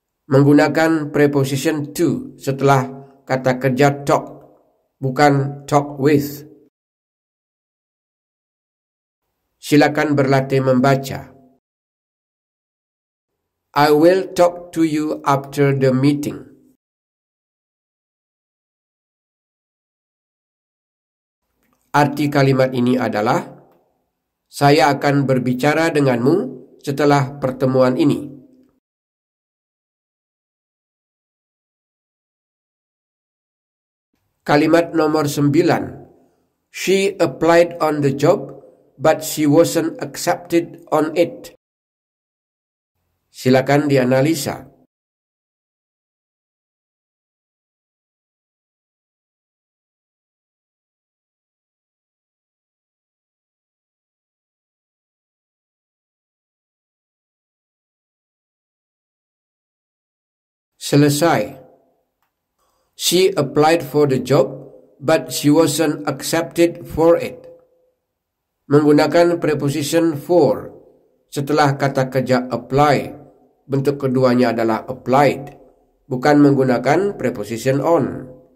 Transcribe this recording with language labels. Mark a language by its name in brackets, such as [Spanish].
[Indonesian] Menggunakan preposition to setelah kata kerja talk, bukan talk with. Silakan berlatih membaca. [English] I will talk to you after the meeting. [Indonesian] Arti kalimat ini adalah, saya akan berbicara denganmu setelah pertemuan ini. Kalimat nomor 9. [English] She applied on the job, but she wasn't accepted on it. [Indonesian] Silakan dianalisa. selesai. [English] She applied for the job, but she wasn't accepted for it. [Indonesian] Menggunakan preposition for setelah kata kerja apply, bentuk keduanya adalah applied, bukan menggunakan preposition on.